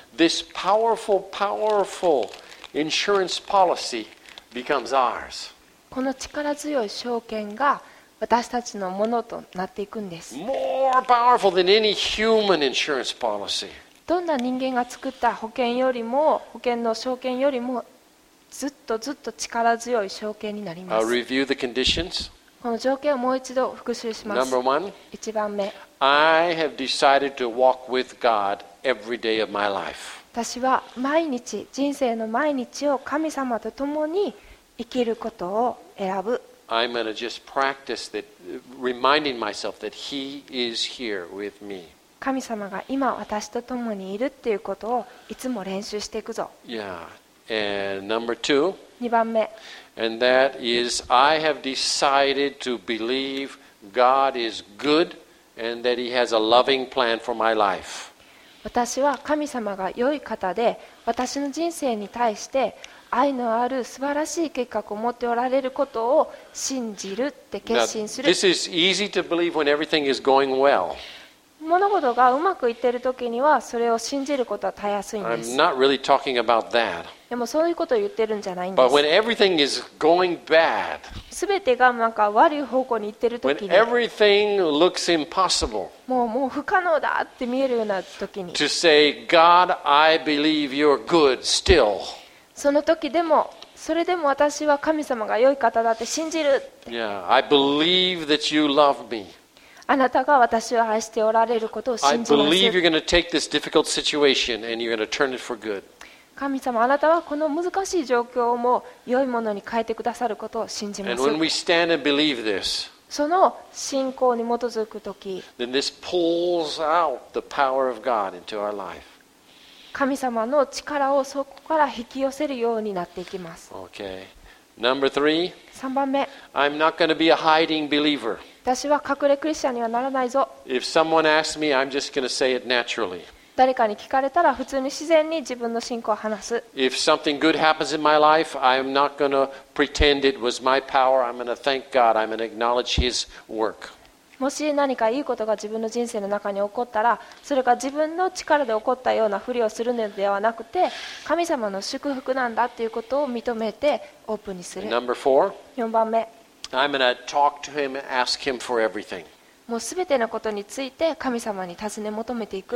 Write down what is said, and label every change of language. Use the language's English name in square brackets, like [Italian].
[English] This powerful, powerful insurance policy becomes ours. [Japanese] この力強い証券が私たちのものとなっていくんです。 [English] More powerful than any human insurance policy. [Japanese] どんな人間が作った保険よりも保険の証券よりもずっとずっと力強い証券になります。 [English] I'll review the conditions. [Japanese] この条件をもう一度復習します。 [English] Number one, [Japanese] 一番目。 [English] I have decided to walk with God every day of my life. [Japanese] 私は毎日、人生の毎日を神様と共に生きることを選ぶ。 [English] I'm going to just practice that, reminding myself that He is here with me. [Japanese] 神様が今私と共にいるっていうことをいつも練習していくぞ。 [English] Yeah. And number two. [Japanese] 2番目。 [English] And that is, I have decided to believe God is good and that He has a loving plan for my life. [Japanese] 私は神様が良い方で、私の人生に対して愛のある素晴らしい計画を持っておられることを信じるって決心する。 [English] Now, this is easy to believe when everything is going well. [Japanese] 物事がうまくいっているときにはそれを信じることはたやすいんです。 [English] I'm not really talking about that. [Japanese] でもそういうことを言ってるんじゃないんです。 [English] But when everything is going bad, [Japanese] 全てがなんか悪い方向に行っているときに、 [English] when everything looks impossible, [Japanese] もう不可能だって見えるようなときに、 [English] to say, God, I believe you're good still. [Japanese] そのときでも、それでも私は神様が良い方だって信じる。 [English] Yeah, I believe that you love me. [Japanese] あなたが私を愛しておられることを信じます。 [English] I believe you're going to take this difficult situation and you're going to turn it for good. [Japanese] 神様、あなたはこの難しい状況をも良いものに変えてくださることを信じます。 [English] And when we stand and believe this, [Japanese] その信仰に基づくとき、 [English] then this pulls out the power of God into our life. [Japanese] 神様の力をそこから引き寄せるようになっていきます。 [English] Okay. Number three. [Japanese] 三番目。 [English] I'm not going to be a hiding believer. [Japanese] 私は隠れクリスチャンにはならないぞ。 [English] If someone asks me, I'm just going to say it naturally. [Japanese] 誰かに聞かれたら普通に自然に自分の信仰を話す。 [English] If something good happens in my life, I'm not going to pretend it was my power. I'm going to thank God. I'm going to acknowledge His work. [Japanese] もし何かいいことが自分の人生の中に起こったら、それが自分の力で起こったようなふりをするのではなくて、神様の祝福なんだということを認めてオープンにする。 [English] Number four. [Japanese] 4番目。 [English] I'm gonna talk to him and ask him for everything. [Japanese] もうすべてのことについて神様に尋ね求めていく。